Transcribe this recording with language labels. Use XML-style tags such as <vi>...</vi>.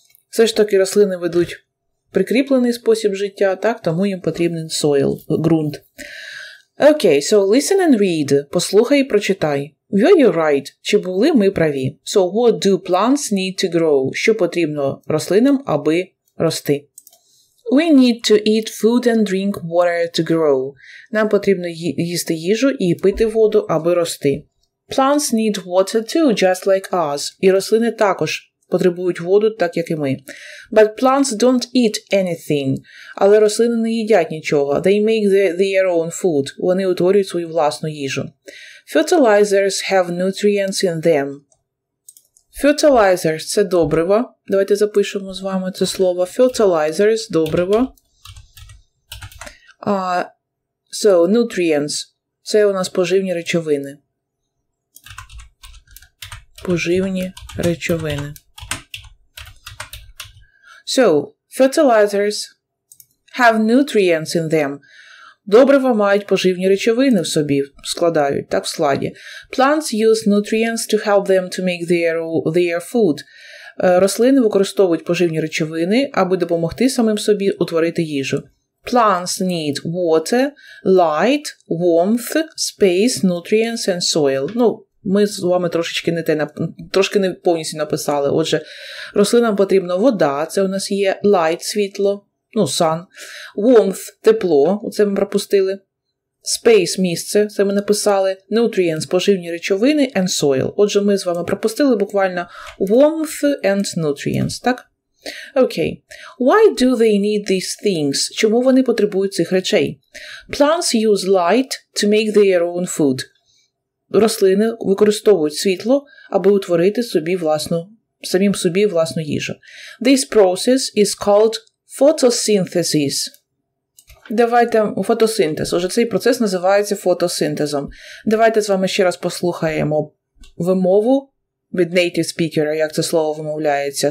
<uk>Все ж таки, рослини ведуть прикріплений спосіб життя, так? Тому їм потрібен soil, ґрунт.</uk> <en>Окей, so listen and read.</en> <uk>Послухай і прочитай.</uk> <en>You're right.</en> <uk>Чи були ми праві?</uk> <en>So, what do plants need to grow?</en> <uk>Що потрібно рослинам, аби рости?</uk> <en>We need to eat food and drink water to grow.</en> <uk>Нам потрібно їсти їжу і пити воду, аби рости.</uk> <en>Plants need water too, just like us.</en> <uk>І рослини також потребують воду, так як і ми.</uk> <en>But plants don't eat anything.</en> <uk>Але рослини не їдять нічого.</uk> <en>They make their own food.</en> <uk>Вони утворюють свою власну їжу.</uk> <en>Fertilizers have nutrients in them. Fertilizers –</en> <uk>це добриво. Давайте запишемо з вами це слово. Fertilizers – добриво. So, nutrients – це у нас поживні речовини. Поживні речовини.</uk> <en>So, fertilizers have nutrients in them.</en> <uk>Добрива мають поживні речовини в собі, складають, так, в складі.</uk> <en>Plants use nutrients to help them to make their food.</en> <uk>Рослини використовують поживні речовини, аби допомогти самим собі утворити їжу.</uk> <en>Plants need water, light, warmth, space, nutrients and soil.</en> <uk>Ну, ми з вами трошечки не те, трошки не повністю написали. Отже, рослинам потрібна вода, це у нас є light, світло. Ну, sun. Warmth – тепло. Оце ми пропустили. Space – місце, це ми написали. Nutrients – споживні речовини. And soil. Отже, ми з вами пропустили буквально warmth and nutrients, так? Okay.</uk> <en>Why do they need these things?</en> <uk>Чому вони потребують цих речей?</uk> <en>Plants use light to make their own food.</en> <uk>Рослини використовують світло, аби утворити собі власну, самим собі власну їжу.</uk> <en>This process is called photosynthesis.</en> <uk>Давайте фотосинтез. Отже, цей процес називається фотосинтезом. Давайте з вами ще раз послухаємо вимову від native speaker, як це слово вимовляється.</uk>